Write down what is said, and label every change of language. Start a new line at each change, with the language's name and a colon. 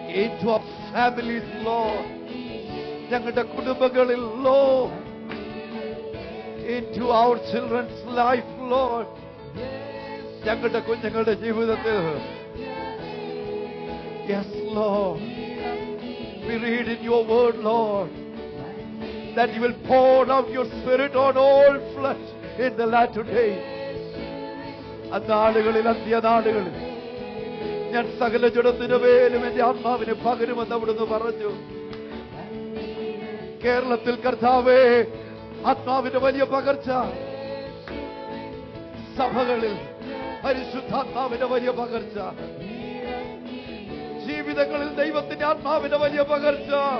English: into our families Lord,
Malayalam: ഞങ്ങളുടെ കുടുംബങ്ങളിൽ
English: Lord. Into our children's life Lord,
Malayalam: ഞങ്ങളുടെ കുഞ്ഞുങ്ങളുടെ ജീവിതത്തിൽ.
English: Yes Lord, we read in your word Lord, that you will pour out your spirit on all flesh in the latter day.
Malayalam: Annaalugalil, anthya naalugalil, ഞാൻ സകല ജഡത്തിനുമേലും എന്റെ അമ്മാവിനെ പകരുമെന്ന് അവിടുന്ന് പറഞ്ഞു. കേരളത്തിൽ കർത്താവേ ആത്മാവിന്റെ വലിയ പകർച്ച, സഭകളിൽ പരിശുദ്ധാത്മാവിന്റെ വലിയ പകർച്ച, ജീവിതങ്ങളിൽ ദൈവത്തിന്റെ ആത്മാവിന്റെ വലിയ പകർച്ച.